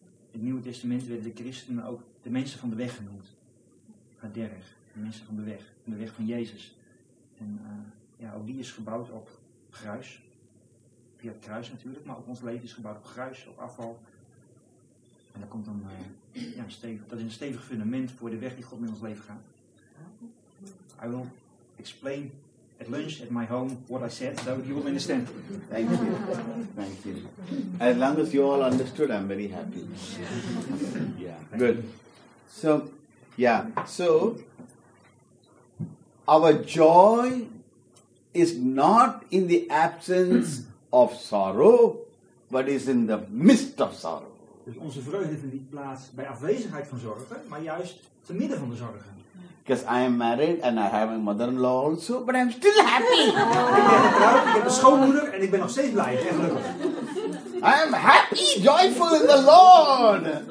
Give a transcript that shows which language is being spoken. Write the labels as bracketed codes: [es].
[nl] In het Nieuwe Testament werden de christenen ook de mensen van de weg genoemd. Haderig, de mensen van de weg, de weg van Jezus. En ja, ook die is gebouwd op gruis. Via het kruis natuurlijk, maar ook ons leven is gebouwd op gruis, op afval. En dat komt dan, ja, stevig, dat is een stevig fundament voor de weg die God met ons leven gaat. [en] I will explain at lunch at my home what I said, so you will understand. Thank you. Thank you. As long as you all understood, I'm very happy. Yeah. Good. So, yeah. So, our joy is not in the absence of sorrow, but is in the midst of sorrow. [nl] Dus onze vreugde vindt niet plaats bij afwezigheid van zorgen, maar juist te midden van de zorgen. [en] Because I am married and I have a mother-in-law also, but I'm still happy. [nl] Ik ben getrouwd, ik heb een schoonmoeder en ik ben nog steeds blij, en gelukkig. [en] I am happy, joyful in the Lord.